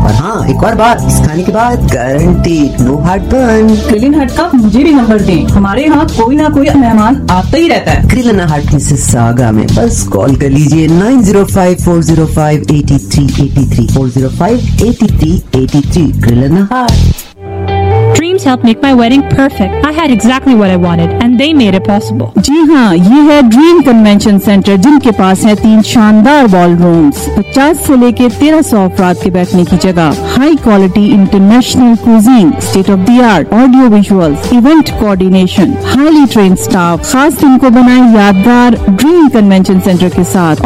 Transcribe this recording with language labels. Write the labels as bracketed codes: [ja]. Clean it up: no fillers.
[ur] اور ہاں ایک اور بات, اس کھانے کے بعد [en] Guarantee no heartburn. [ur] کرن ہٹ کا مجھے بھی نمبر دیں, ہمارے ہاں کوئی نہ کوئی مہمان آتا ہی رہتا ہے. کرنا ہٹ مسز ساگا میں, بس کال کر لیجیے 9054058383 [en] Dreams helped make my wedding perfect. I had exactly what I wanted and they made it possible. [ur] جی ہاں, یہ ہے ڈریم کنوینشن سینٹر جن کے پاس ہیں تین شاندار وال رومز, 50 سے لے کے 1300 افراد کے بیٹھنے کی جگہ, high quality international cuisine, state of the art audio visuals, event coordination, highly trend staff, خاص دن کو بنائیں یادگار ڈریم کنوینشن سینٹر کے ساتھ.